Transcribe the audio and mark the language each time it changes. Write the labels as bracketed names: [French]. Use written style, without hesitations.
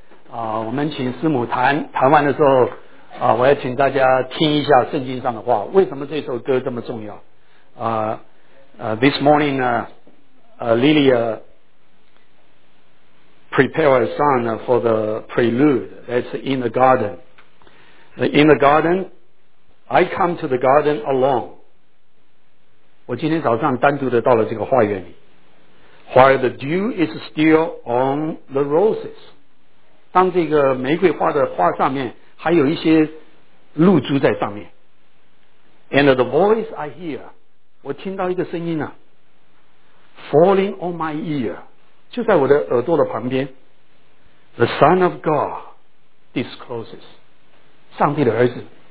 [Chinese] 我们请师母弹，弹完的时候，我要请大家听一下圣经上的话。为什么这首歌这么重要？ [English] This morning, Lilia prepared a song for the prelude. That's In the Garden. In the Garden. I come to the garden alone. [Chinese] 我今天早上单独的到了这个花园里。 [English] While the dew is still on the roses. [Chinese] 当这个玫瑰花的花上面还有一些露珠在上面。 [English] And the voice I hear. [Chinese] 我听到一个声音啊。 [English] Falling on my ear. [Chinese] 就在我的耳朵的旁边。 [English] The Son of God discloses. [Chinese] 上帝的儿子。